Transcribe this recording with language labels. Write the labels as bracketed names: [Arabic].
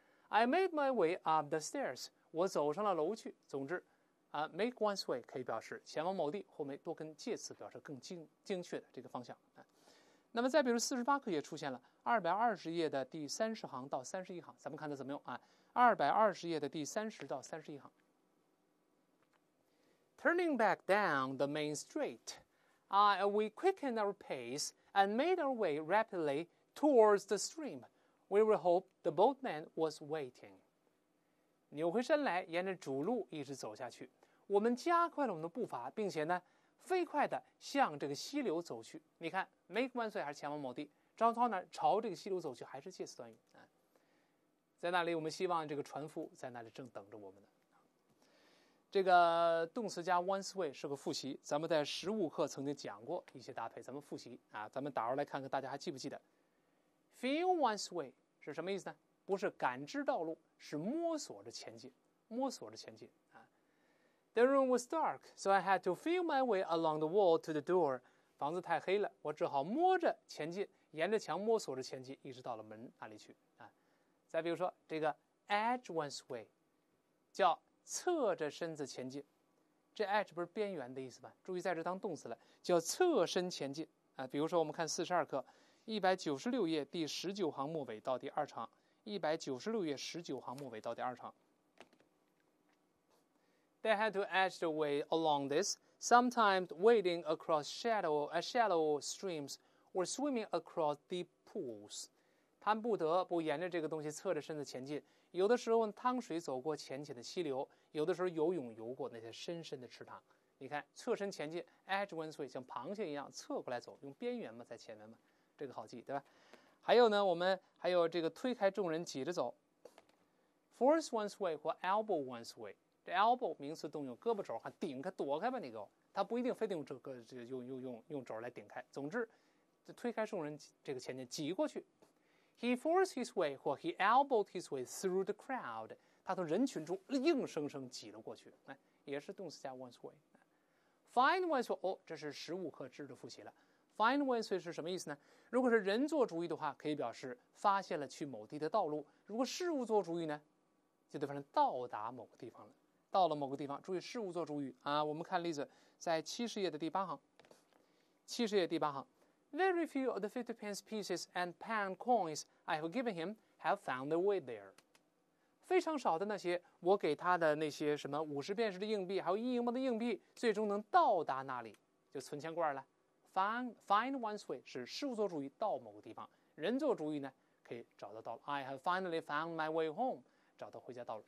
[English] I made my way up the stairs， [Chinese] 我走上了楼去。总之，啊 ，make one's way 可以表示前往某地，后面多跟介词表示更精确的这个方向啊。那么再比如四十八课也出现了，220页的第30行到31行，咱们看它怎么用啊？ 220页的第30到31行。 [English] Turning back down the main street, we quickened our pace and made our way rapidly towards the stream. We were hoped the boatman was waiting. [Chinese] 扭回身来，沿着主路一直走下去。我们加快了我们的步伐，并且呢，飞快地向这个溪流走去。你看 ，make one's way 还是前往某地，张涛呢朝这个溪流走去，还是介词短语啊。在那里，我们希望这个船夫在那里正等着我们呢。这个动词加 one's way 是个复习，咱们在十五课曾经讲过一些搭配，咱们复习啊，咱们打出来看看大家还记不记得 ？Feel one's way 是什么意思呢？不是感知道路，是摸索着前进，摸索着前进啊。 [English] The room was dark, so I had to feel my way along the wall to the door. [Chinese] 房子太黑了，我只好摸着前进，沿着墙摸索着前进，一直到了门那里去啊。再比如说这个 edge one's way， 叫侧着身子前进，这 edge 不是边缘的意思吗？注意在这当动词了，叫侧身前进啊。比如说我们看42课196页第19行末尾到第二行，196页19行末尾到第二行。 [English] They had to edge the way along this, sometimes wading across shallow streams or swimming across deep pools. [Chinese] 他们不得不沿着这个东西侧着身子前进，有的时候汤水走过浅浅的溪流，有的时候游泳游过那些深深的池塘。你看侧身前进 edge one's way， 像螃蟹一样侧过来走，用边缘嘛，在前面嘛，这个好记对吧。还有呢，我们还有这个推开众人挤着走 force one's way 或 elbow one's way。这 elbow 名词动用胳膊肘，还顶开躲开吧，你给我，它不一定非得用这个用肘来顶开，总之就推开众人这个前进挤过去。 [English] He forced his way, or he elbowed his way through the crowd. [Chinese] 他从人群中硬生生挤了过去，也是动词加 one's way. Find one's way, 哦，这是十五课知识的复习了。Find one's way 是什么意思呢？如果是人做主语的话，可以表示发现了去某地的道路。如果事物做主语呢，就得变成到达某个地方了。到了某个地方，注意事物做主语啊。我们看例子，在70页的第八行。 70页第八行。 [English] Very few of the 50 pence pieces and pound coins I have given him have found their way there. [Chinese] 非常少的那些我给他的那些什么50便士的硬币，还有一英镑的硬币，最终能到达那里，就存钱罐了。 Find one's way 是事物做主语到某个地方，人做主语呢可以找到道路。 [English] I have finally found my way home， [Chinese] 找到回家道路。